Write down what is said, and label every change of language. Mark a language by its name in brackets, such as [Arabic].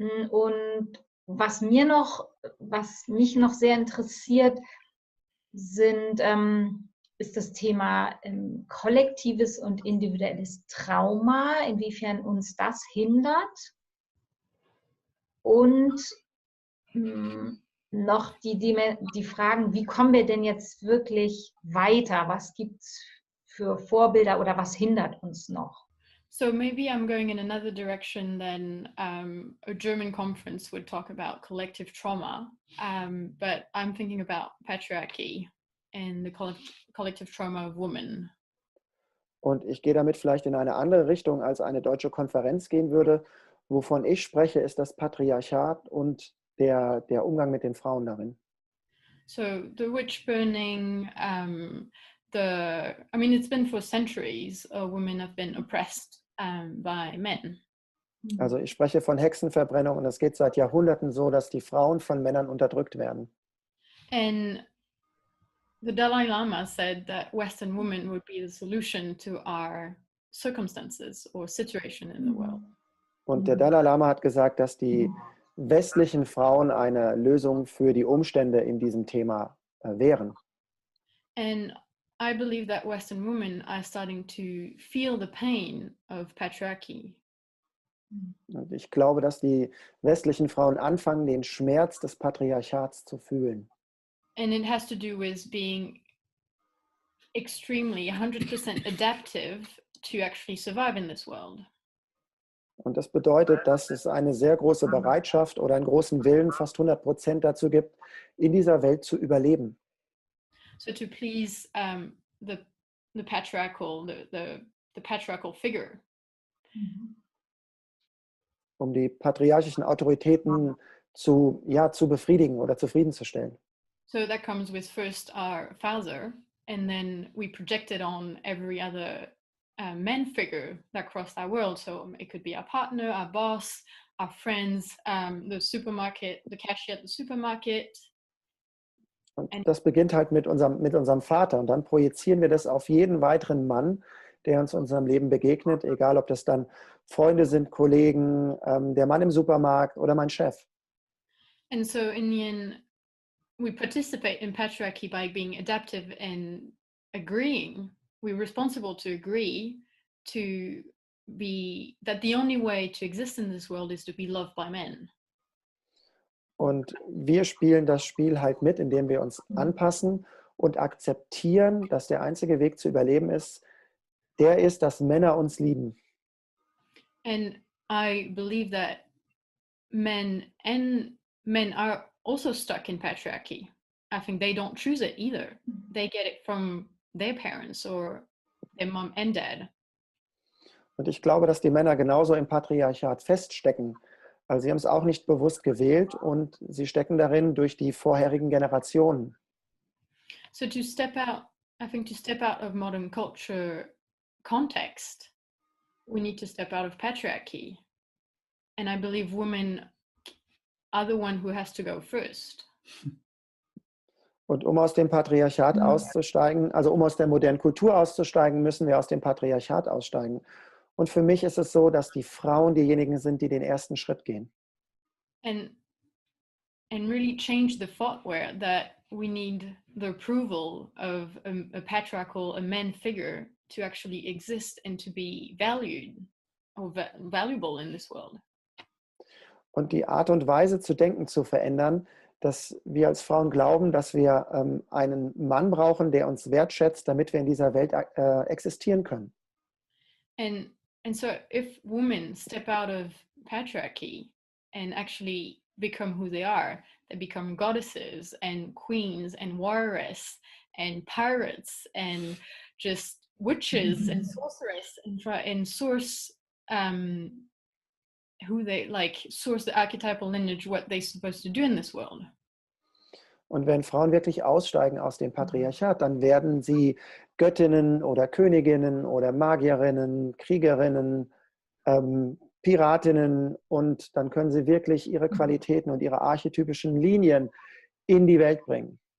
[German] Und was mich noch sehr interessiert, ist das Thema kollektives und individuelles Trauma, inwiefern uns das hindert. Und noch die Fragen, wie kommen wir denn jetzt wirklich weiter? Was gibt es für Vorbilder oder was hindert uns noch? [English] So maybe I'm going in another direction than a German conference would talk about collective trauma, but I'm thinking about patriarchy and the collective trauma of women. [German] Und ich gehe damit vielleicht in eine andere Richtung, als eine deutsche Konferenz gehen würde. Wovon ich spreche, ist das Patriarchat und der Umgang mit den Frauen darin. [English] So the witch burning... it's been for centuries women have been oppressed by men. [German] Also ich spreche von Hexenverbrennung und es geht seit Jahrhunderten so, dass die Frauen von Männern unterdrückt werden. [English] And the Dalai Lama said that Western women would be the solution to our circumstances or situation in the world. [German] Und der Dalai Lama hat gesagt, dass die westlichen Frauen eine Lösung für die Umstände in diesem Thema wären. [English] And I believe that Western women are starting to feel the pain of patriarchy. [German] Ich glaube, dass die westlichen Frauen anfangen, den Schmerz des Patriarchats zu fühlen. [English] And it has to do with being extremely 100% adaptive to actually survive in this world. [German] Und das bedeutet, dass es eine sehr große Bereitschaft oder einen großen Willen, fast 100% dazu gibt, in dieser Welt zu überleben. [English] So to please the patriarchal figure. [German] Um die patriarchischen Autoritäten zu befriedigen oder zufriedenzustellen. [English] So that comes with first our father, and then we project it on every other man figure that crossed our world. So it could be our partner, our boss, our friends, the supermarket, the cashier at the supermarket. [German] Und das beginnt halt mit unserem Vater, und dann projizieren wir das auf jeden weiteren Mann, der uns in unserem Leben begegnet, egal ob das dann Freunde sind, Kollegen, der Mann im Supermarkt oder mein Chef. [English] And so in the end, we participate in patriarchy by being adaptive and agreeing. We're responsible to agree to be that the only way to exist in this world is to be loved by men. [German] Und wir spielen das Spiel halt mit, indem wir uns anpassen und akzeptieren, dass der einzige Weg zu überleben ist, der ist, dass Männer uns lieben. [English] And I believe that men are also stuck in patriarchy. I think they don't choose it either. They get it from their parents or their mom and dad. [German] Und ich glaube, dass die Männer genauso im Patriarchat feststecken. Also sie haben es auch nicht bewusst gewählt, und sie stecken darin durch die vorherigen Generationen. [English] So to step out, I think to step out of modern culture context, we need to step out of patriarchy. And I believe women are the one who has to go first. [German] Und um aus dem Patriarchat auszusteigen, also um aus der modernen Kultur auszusteigen, müssen wir aus dem Patriarchat aussteigen. Und für mich ist es so, dass die Frauen diejenigen sind, die den ersten Schritt gehen. [English] And really change the thought where that we need the approval of a patriarchal, a man figure to actually exist and to be valued or valuable in this world. [German] Und die Art und Weise zu denken zu verändern, dass wir als Frauen glauben, dass wir einen Mann brauchen, der uns wertschätzt, damit wir in dieser Welt existieren können. [English] And so if women step out of patriarchy and actually become who they are, they become goddesses and queens and warriors and pirates and just witches and sorceress and source who they like source the archetypal lineage, what they're supposed to do in this world. [German] Und wenn Frauen wirklich aussteigen aus dem Patriarchat, dann werden sie Göttinnen oder Königinnen oder Magierinnen, Kriegerinnen, Piratinnen, und dann können sie wirklich ihre Qualitäten und ihre archetypischen Linien in die Welt bringen.